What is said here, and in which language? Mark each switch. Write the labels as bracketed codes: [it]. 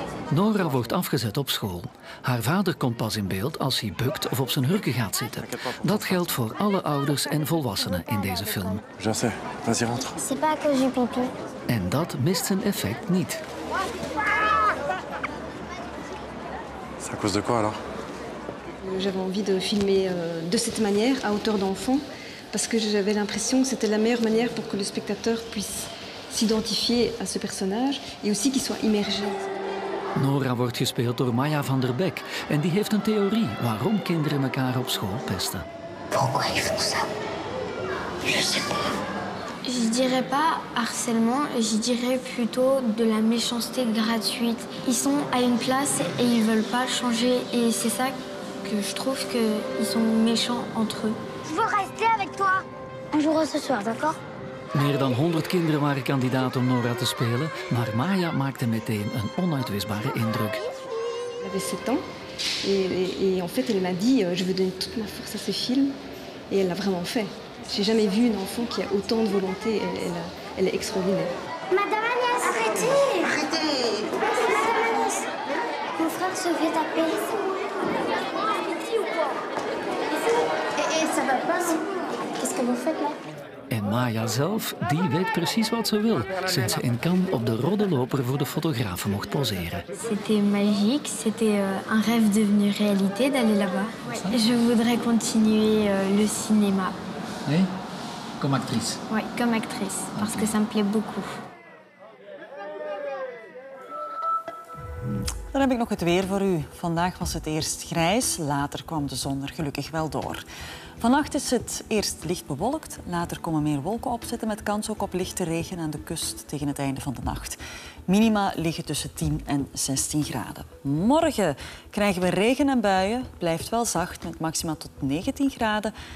[nl] Nora wordt afgezet op school. Haar vader komt pas in beeld als hij bukt of op zijn hurken gaat zitten. Dat geldt voor alle ouders en volwassenen in deze film. [fr] Je sais, vas-y rentre. C'est pas que j'ai pipi. [nl] En dat mist zijn effect niet. [fr] C'est à cause de quoi alors? J'avais envie de filmer de cette manière à hauteur d'enfant parce que j'avais l'impression que c'était la meilleure manière pour que le spectateur puisse s'identifier à ce personnage et aussi qu'il soit immergé. [nl] Nora wordt gespeeld door Maya van der Beek en die heeft een theorie waarom kinderen elkaar op school pesten. [fr] Pourquoi ils font ça? Je sais pas. Je dirais pas harcèlement, je dirais plutôt de la méchanceté gratuite. Ils sont à une place et ils veulent pas changer et c'est ça que je trouve que ils sont méchants entre eux. Je veux rester avec toi. On jouera ce soir, d'accord? [nl] Meer dan 100 kinderen waren kandidaat om Nora te spelen, maar Maya maakte meteen een onuitwisbare indruk. Ze had 7 jaar en in feite [fr] ze m'a dit je veux donner toute ma force à ce film et elle l'a vraiment fait. J'ai jamais vu une enfant qui a autant de volonté, elle est extraordinaire. Madame Agnès, arrêtez! Arrêtez! Madame Agnès, mon frère se fait taper. Et ça va pas? Qu'est-ce que vous faites là? [nl] En Maya zelf, die weet precies wat ze wil, sinds ze in Cannes op de rode loper voor de fotografen mocht poseren. [fr] C'était magique, c'était un rêve devenu réalité d'aller là-bas. Je voudrais continuer le cinéma. [nl] Nee? [fr] Comme actrice. Oui, comme actrice, parce que ça me plaît beaucoup. [nl] Dan heb ik nog het weer voor u. Vandaag was het eerst grijs, later kwam de zon er gelukkig wel door. Vannacht is het eerst licht bewolkt, later komen meer wolken opzetten met kans ook op lichte regen aan de kust tegen het einde van de nacht. Minima liggen tussen 10 en 16 graden. Morgen krijgen we regen en buien, blijft wel zacht met maxima tot 19 graden.